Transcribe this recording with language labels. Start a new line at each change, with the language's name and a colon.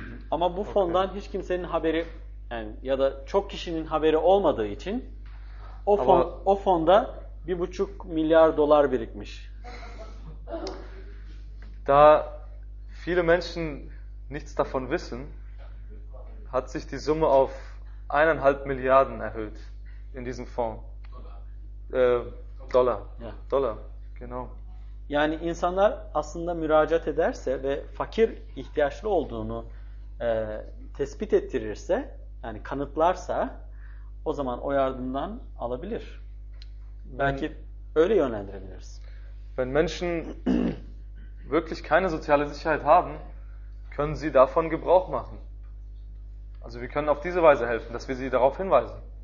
Turkish: Ama bu fondan hiç kimsenin haberi yani ya da çok kişinin haberi olmadığı için o fonda 1,5 milyar dolar birikmiş.
German: Da viele Menschen nichts davon wissen, hat sich die Summe auf 1,5 Milliarden erhöht in diesem Fonds. Dollar. Yeah. Dollar. Genau.
Turkish: Yani insanlar aslında müracaat ederse ve fakir ihtiyaçlı olduğunu tespit ettirirse, yani kanıtlarsa o zaman o yardımdan alabilir. Belki öyle yönlendirebiliriz.
German: Wenn Menschen wirklich keine soziale Sicherheit haben, können sie davon Gebrauch machen. Also wir können auf diese Weise helfen, dass wir sie darauf hinweisen.